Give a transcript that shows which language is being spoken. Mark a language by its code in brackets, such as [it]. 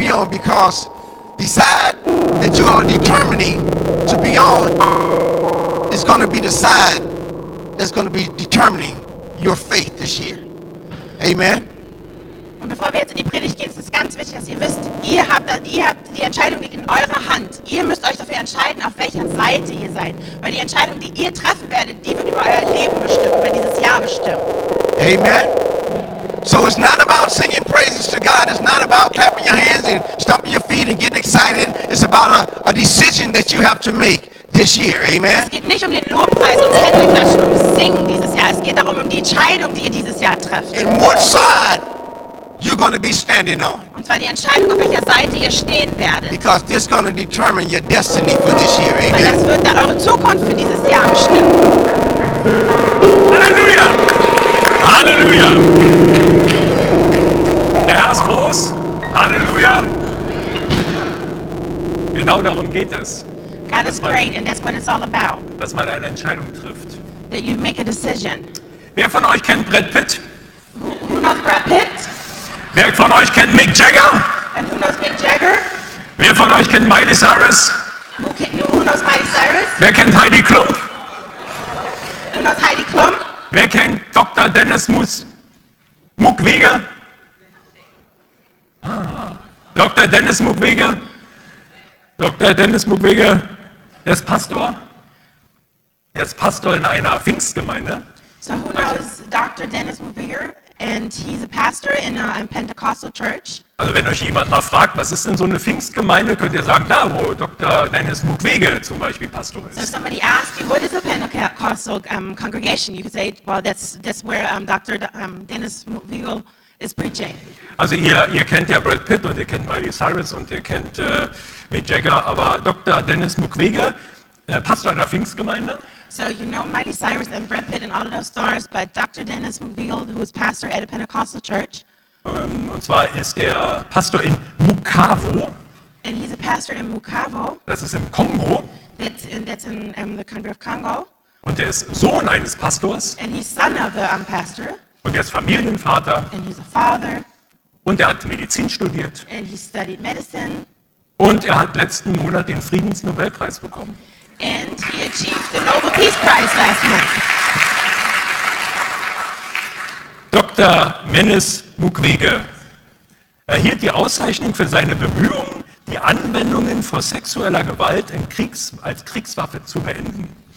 [en] because decide that you are determining to be on is going to be the side that's going to be determining your faith this year. Amen. [de] Und bevor wir jetzt in die Predigt gehen, ist es ganz wichtig, dass ihr wisst, ihr habt die Entscheidung in eurer Hand. Ihr müsst euch dafür entscheiden, auf welcher Seite ihr seid. Weil die Entscheidung, die ihr treffen werdet, die wird über euer Leben bestimmen, über dieses Jahr bestimmen. Amen. [en] So it's not about singing praises to God. It's not about clapping your hands and stomping your feet and getting excited. It's about a decision that you have to make this year. Amen. [de] Es geht nicht um den Lobpreis und Hände klatschen und singen dieses Jahr. Es geht darum, um die Entscheidung, die ihr dieses Jahr trefft. [en] In what side you're going to be standing on. [de] Und zwar die Entscheidung, auf welcher Seite ihr stehen werdet. [en] Because this is going to determine your destiny for this year. Amen. [de] Weil das wird dann eure Zukunft für dieses Jahr bestimmen. Halleluja! Halleluja! Der Herr ist groß. Halleluja! Genau darum geht es. [en] God is great and that's what it's all about. [de] Dass man eine Entscheidung trifft. [en] That you make a decision. [de] Wer von euch kennt Brad Pitt? [en] Who knows Brad Pitt? [de] Wer von euch kennt Mick Jagger? [en] And who knows Mick Jagger? [de] Wer von euch kennt Miley Cyrus? [en] Who knows Miley Cyrus? [de] Wer kennt Heidi Klum? [en] Who knows Heidi Klum? [de] Wer kennt Dr. Dennis Mukwege? Dr. Dennis Mukwege? Dr. Dennis Mukwege? Der ist Pastor? Er ist Pastor in einer Pfingstgemeinde. [en] So who knows Dr. Dennis Mukwege? And he's a pastor in a Pentecostal church. [de] Also wenn euch jemand mal fragt, was ist denn so eine Pfingstgemeinde, könnt ihr sagen, da wo Dr. Dennis Mukwege zum Beispiel Pastor ist. [en] So if somebody asks you, what is a Pentecostal congregation? You could say, well, that's where Dr. Dennis Mukwege is preaching. [de] Also ihr kennt ja Brad Pitt und ihr kennt Miley Cyrus und ihr kennt Mick Jagger, aber Dr. Dennis Mukwege, Pastor einer Pfingstgemeinde. [en] So you know Miley Cyrus and Brad Pitt and all of those stars, but Dr. Dennis Mukwege, who is pastor at a Pentecostal church. [de] Und zwar ist er Pastor in Bukavu. [en] And he's a pastor in Bukavu. [de] Das ist im Kongo. [en] That's in the country of Congo. [de] Und er ist Sohn eines Pastors. [en] And he's son of the pastor. [de] Und er ist Familienvater. [en] And he's a father. [de] Und er hat Medizin studiert. [en] And he studied medicine. [de] Und er hat letzten Monat den Friedensnobelpreis bekommen. [en] And he achieved the Nobel Peace Prize last month. [de] Dr. Dennis Mukwege erhielt die Auszeichnung für seine Bemühungen, die Anwendungen von sexueller Gewalt in als Kriegswaffe zu beenden.